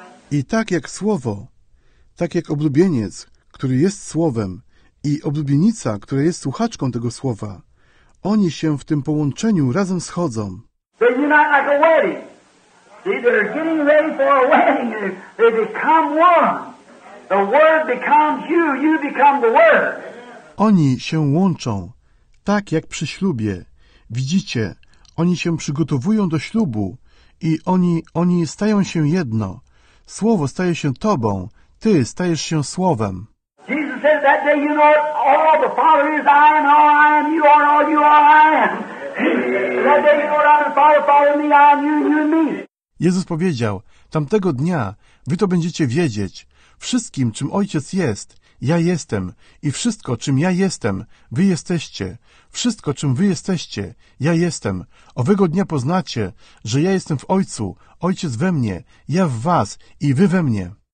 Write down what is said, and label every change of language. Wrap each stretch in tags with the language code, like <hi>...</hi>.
<pl>I tak jak Słowo, tak jak oblubieniec, który jest Słowem i oblubienica, która jest słuchaczką tego Słowa, oni się w tym połączeniu razem schodzą.</pl> <en>They unite like a wedding. See, they're getting ready for a wedding. They become one. The Word becomes you, you become the Word.</en> <pl>Oni się łączą, tak jak przy ślubie. Widzicie, oni się przygotowują do ślubu i oni stają się jedno. Słowo staje się Tobą, Ty stajesz się Słowem.</pl> <en>Jesus said that day, you know it, all the Father is, I am, all I am, you are, all you are, I am. That day, you know it, I am the Father, Father me, I am you, you and me.</en> <pl>Jezus powiedział, tamtego dnia wy to będziecie wiedzieć, wszystkim, czym Ojciec jest, ja jestem i wszystko, czym ja jestem, wy jesteście. Wszystko, czym wy jesteście, ja jestem. Owego dnia poznacie, że ja jestem w Ojcu, Ojciec we mnie, ja w was i wy we mnie.</pl>